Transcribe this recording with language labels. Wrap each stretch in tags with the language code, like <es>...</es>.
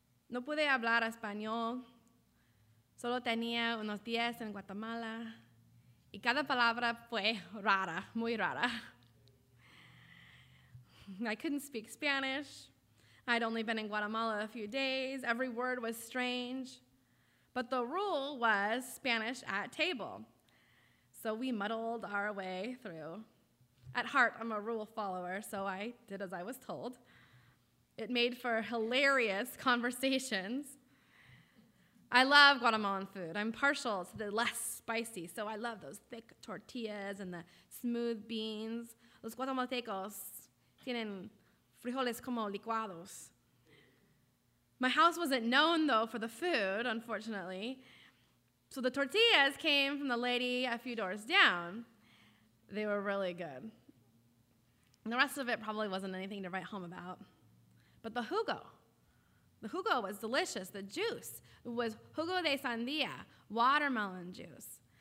<es>No pude hablar español, solo tenía unos días en Guatemala, y cada palabra fue rara, muy rara.</es> <en>I couldn't speak Spanish. I'd only been in Guatemala a few days. Every word was strange. But the rule was Spanish at table. So we muddled our way through. At heart, I'm a rule follower, so I did as I was told. It made for hilarious conversations. I love Guatemalan food. I'm partial to the less spicy, so I love those thick tortillas and the smooth beans.</en> <es>Los guatemaltecos tienen frijoles como licuados.</es> <en>My house wasn't known, though, for the food, unfortunately. So the tortillas came from the lady a few doors down. They were really good. And the rest of it probably wasn't anything to write home about. But the jugo was delicious. The juice was</en> <es>jugo de sandía,</es> <en>watermelon juice.</en>